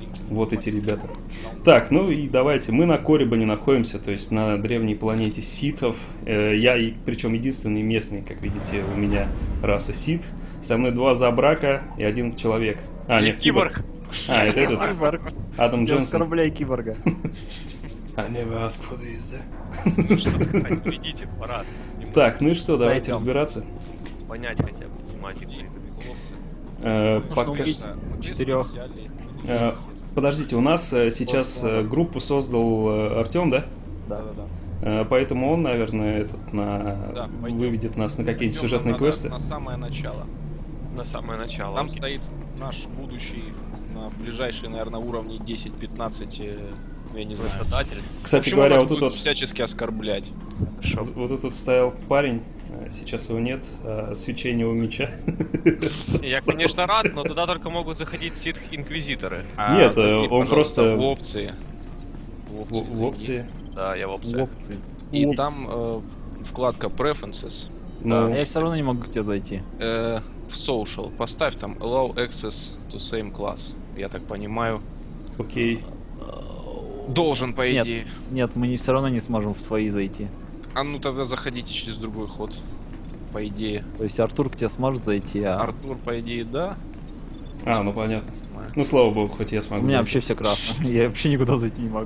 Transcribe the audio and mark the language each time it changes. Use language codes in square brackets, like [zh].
[ru] Вот эти ребята. Так, ну и давайте, мы на Корибане находимся, то есть на древней планете ситов. Я, причем единственный местный, как видите, у меня раса сит. Со мной два забрака и один человек. А, нет, киборг. А, это этот. Киборг. Адам Джонсон. Я оскорбляю киборга. [en] I never ask for this, да? [ru] Идите, пора. Так, ну и что, давайте пойдем разбираться. Понять хотя бы тематику. Пока четырех. Подождите, у нас сейчас группу создал Артём, да? Да. Поэтому он, наверное, этот выведет нас на какие-нибудь сюжетные квесты. На самое начало. На самое начало. Там стоит наш будущий на ближайшие, наверное, уровни 10-15. Я не знаю. Создатель. Кстати, почему говоря, вот будут тут всячески оскорблять. Вот тут стоял парень, сейчас его нет, свечение у меча. Я, конечно, рад, но туда только могут заходить ситх-инквизиторы. Нет, он просто в опции. В опции. Да, я в опции. И там вкладка Preferences. Я все равно не могу к тебе зайти. В Social. Поставь там Allow access to same class. Я так понимаю. Окей. Должен, по идее. Нет, нет, мы все равно не сможем в твои зайти. А ну тогда заходите через другой ход, по идее. То есть Артур к тебе сможет зайти, а... Артур, по идее, да. А, ну понятно. Смай. Ну, слава богу, хоть я смогу. У меня вообще все красно. Я вообще никуда зайти не могу.